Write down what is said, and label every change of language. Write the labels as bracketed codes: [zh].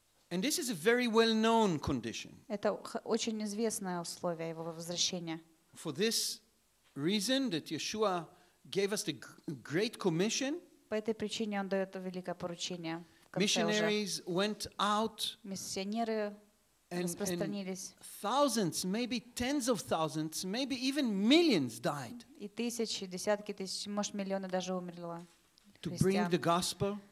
[en] And this is a very well-known condition. [ru] Это очень известное условие его возвращения. [en] For this reason that Yeshua gave us the great commission. [ru] По этой причине он дает великое поручение. [en] Missionaries went out. [ru] Миссионеры распространились. [en] Thousands, maybe tens of thousands, maybe even millions died. [ru] И тысячи, десятки тысяч, может, миллионы даже умерло. [en] To bring the gospel.